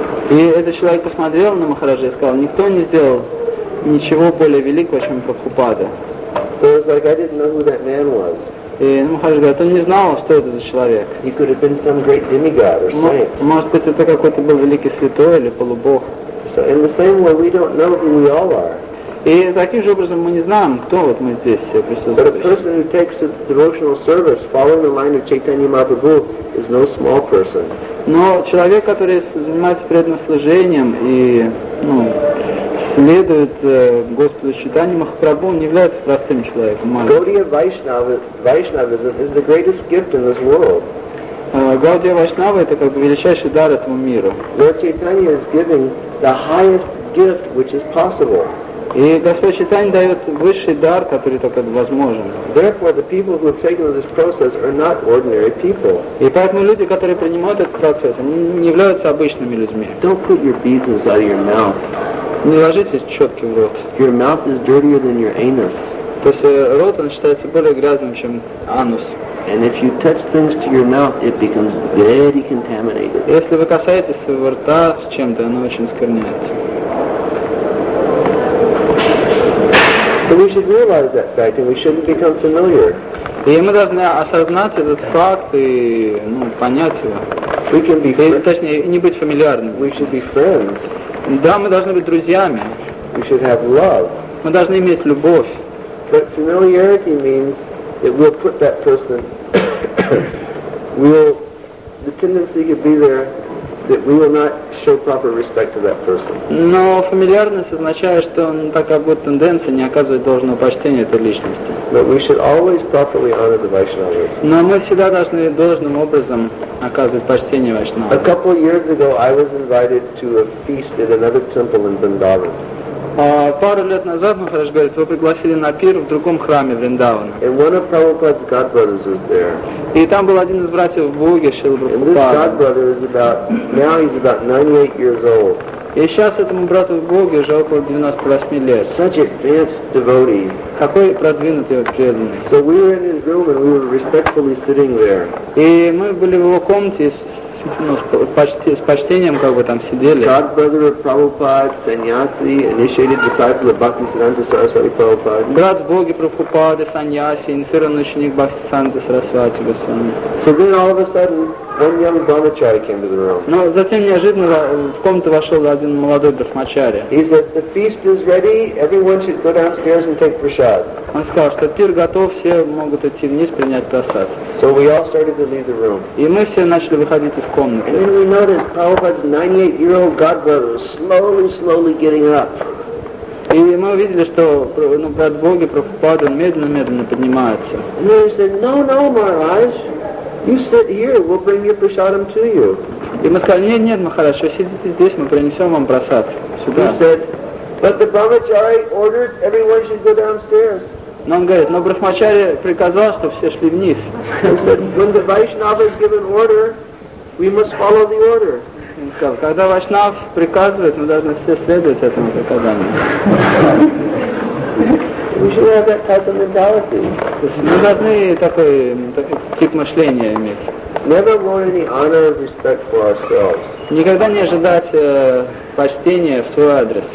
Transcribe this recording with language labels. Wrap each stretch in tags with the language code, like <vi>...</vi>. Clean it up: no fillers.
<ru>И этот человек посмотрел на Махараджа и сказал, никто не сделал ничего более великого, чем Прабхупада.</ru> <en>So it was like, I didn't know who that man was.</en> <ru>И Махараджа говорит, он не знал, что это за человек.</ru> <en>He could have been some great demigod or saint.</en> <ru>Может быть, это какой-то был великий святой или полубог.</ru> <en>So in the same way, we don't know who we all are.</en> <ru>И таким же образом мы не знаем, кто вот мы здесь все присутствуем.</ru> <en>But a person who takes a devotional service, following the line of Chaitanya Mahaprabhu, is no small person.</en> <ru>Но человек, который занимается преданнослужением и, ну, следует Господу Чайтанья Махапрабху, он не является простым человеком.</ru> <en>Gaudiya Vaishnavism is the greatest gift in this world.</en> <ru>Gaudiya Vaishnava — это как бы величайший дар этому миру.</ru> <en>Lord Chaitanya is giving the highest gift which is possible.</en> <ru>И Господь Чайтанья дает высший дар, который только возможен.</ru> <en>Therefore, the people who have taken this process are not ordinary people.</en> <ru>И поэтому люди, которые принимают этот процесс, они не являются обычными людьми.</ru> <en>Don't put your beads inside your mouth.</en> <ru>Не ложите четки в рот.</ru> <en>Your mouth is dirtier than your anus.</en> <ru>То есть рот, он считается более грязным, чем анус.</ru> <en>And if you touch things to your mouth, it becomes very contaminated.</en> <ru>Если вы касаетесь своего рта с чем-то, оно очень скверняется.</ru> <en>So we should realize that fact, and we shouldn't become familiar.</en> <ru>И мы должны осознать этот факт и, ну, понять его.</ru> <en>We can be friends.</en> <ru>Точнее, не быть фамильярным.</ru> <en>We should be friends.</en> <ru>Да, мы должны быть друзьями.</ru> <en>We should have love.</en> <ru>Мы должны иметь любовь.</ru> <en>But familiarity means that we'll put that person. We'll. The tendency could be there that we will not show proper respect to that person.</en> <ru>Но фамильярность означает, что такая будет тенденция не оказывать должного почтения этой личности.</ru> <en>But we should always properly honor the Vaishnavas.</en> <ru>Но мы всегда должны должным образом оказывать почтение Вайшнавам.</ru> <en>A couple years ago, I was invited to a feast at another temple in Vrindavan.</en> <ru>Пару лет назад, Махарадж говорит, вы пригласили на пир в другом храме Вриндавана.</ru> <en>And one of Prabhupada's godbrothers was there.</en> <ru>И там был один из братьев Буги, Шрила Прабхупада.</ru> <en>And this godbrother is about, now he's about 98 years old.</en> <ru>И сейчас этому брату Буги уже около 98 лет.</ru> <en>Such advanced devotee.</en> <ru>Какой продвинутый преданный.</ru> <en>So we were in his room and we were respectfully sitting there.</en> <ru>И мы были в его комнате, ну, с почтением как бы там сидели.</ru> <en>Godbrother of Prabhupada, Sannyasi, initiated disciple of Bhaktisiddhanta Saraswati Prabhupada.</en> <ru>Брат Боги Прабхупады, Саньяси, инициированный ученик Бхактисиддханты Сарасвати Госвами.</ru> <en>So then all of a sudden, one young brahmachari came to the room.</en> <ru>Но затем неожиданно в комнату вошел один молодой брахмачари.</ru> <en>He said, the feast is ready, everyone should go downstairs and take prasad.</en> <ru>Он сказал, что пир готов, все могут идти вниз принять просад.</ru> <en>So we all started to leave the room.</en> <ru>И мы все начали выходить из комнаты.</ru> <en>And then we noticed Prabhupada's 98-year-old godbrother slowly, slowly getting up.</en> <ru>И мы увидели, что, ну, брат Боги Прабхупада медленно-медленно поднимается.</ru> <en>And then he said, no, no, Maharaj. You sit here, we'll bring your prasadam to you.</en> <ru>И мы сказали, нет, Махарадж, вы сидите здесь, мы принесем вам просад сюда.</ru> <en>He said, but the brahmachari ordered everyone should go downstairs.</en> <ru>Но он говорит, но брахмачари приказал, что все шли вниз.</ru> <en>When the Vaishnava is given order, we must follow the order.</en> <ru>Он сказал, когда Вайшнав приказывает, мы должны все следовать этому приказанию.</ru> <en>We should have that type of mentality.</en> <ru>Мы должны такой тип мышления иметь.</ru> <en>Never want any honor or respect for ourselves.</en> <ru>Никогда не ожидать почтения в свой адрес.</ru>